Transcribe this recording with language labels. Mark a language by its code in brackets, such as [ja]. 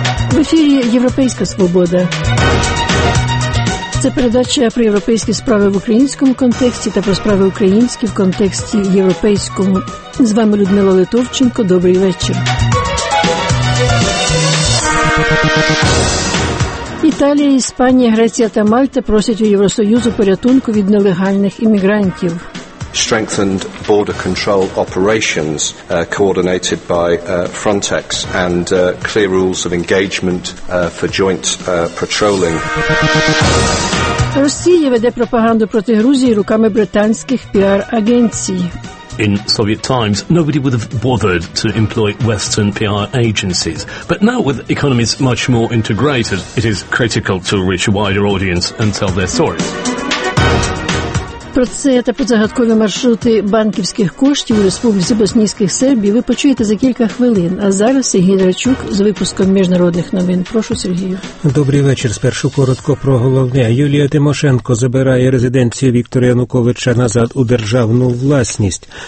[uk] В ефірі «Європейська свобода». Це передача про європейські справи в українському контексті та про справи українські в контексті європейському. З вами Людмила Литовченко. Добрий вечір. Італія, Іспанія, Греція та Мальта просять у Євросоюзу порятунку від нелегальних іммігрантів. [en] Strengthened border control operations coordinated by Frontex and clear rules of engagement for joint patrolling. [uk] Росія веде пропаганду проти Грузії руками британських піар-агенцій. [en] In Soviet times, nobody would have bothered to employ Western PR agencies. But now, with economies much more integrated, it is critical to reach a wider audience and tell their stories. [uk] Про це та про загадкові маршрути банківських коштів у Республіці Боснійських Сербії ви почуєте за кілька хвилин. А зараз Сергій Драчук з випуском міжнародних новин. Прошу, Сергію. Добрий вечір. Спершу коротко про головне. Юлія Тимошенко забирає резиденцію Віктора Януковича назад у державну власність.